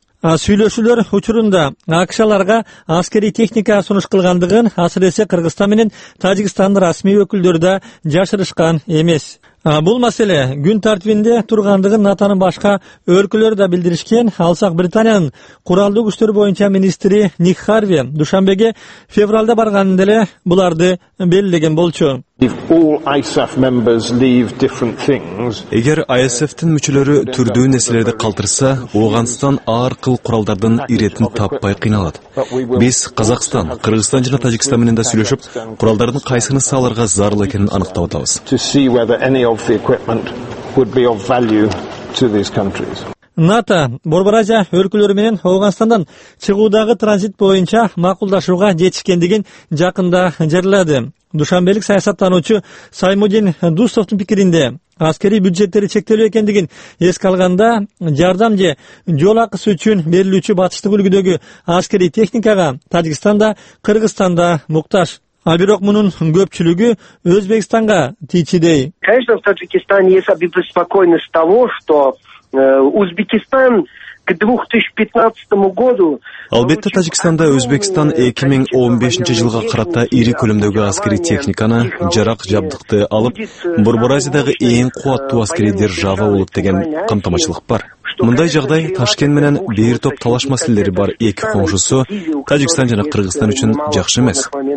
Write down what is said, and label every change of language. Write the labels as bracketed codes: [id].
[ky] Сүйлөшүүлөр учурунда АКШ аларга аскерий техника сунуш кылгандыгын асыресе Кыргызстан менен Тажикстандын расмий өкүлдөрү да жашырышкан эмес. Бул маселе күн тартибинде тургандыгын НАТОнун башка өлкөлөрү да билдиришкен. Алсак Британиянын куралдуу күчтөр боюнча министри Ник Харви Душанбеге февралда барганында эле буларды белгилеген болчу. [en] If all ISAF members leave different things, [ky] эгер ISAF'тын мүчөлөрү түрдүү нерселерди калтырса, Афганистан ар кыл куралдардын иретин таппай кыйналат. Биз Казакстан, Кыргызстан жана Тажикстан менен да сүйлөшүп, куралдардын кайсынысы аларга зарыл экенин аныктап атабыз. [en] To see whether any of the equipment would be of value to these countries. [ky] НАТО Борбор Азия өлкөлөрү менен Афганистандан чыгуудагы транзит боюнча макулдашууга жетишкендигин жакында жарылады. Душанбелик саясаттануучу Саймудин Дустовтун пикиринде аскерий бюджеттери чектелүү экендигин эске алганда, жардам же жол акысы үчүн берилүүчү батыштык үлгүдөгү аскерий техникага Тажикстан да Кыргызстан да муктаж. А бирок мунун көпчүлүгү Өзбекстанга тийчидей. [ru] Конечно, в Таджикистане есть обеспокоенность того, что Узбекистан к 2015 году. [ky] Албетте, Таджикистанда Өзбекстан 2015 жылга карата ири көлөмдөгү аскерий техниканы, жарак жабдыкты алып, Борборазиядагы эң кубаттуу аскерий держава болот деген камтамачылык бар. Мындай жагдай Ташкент менен бир топ талаш маселелери бар эки коңшусу Таджикистан жана Кыргызстан үчүн жакшы эмес.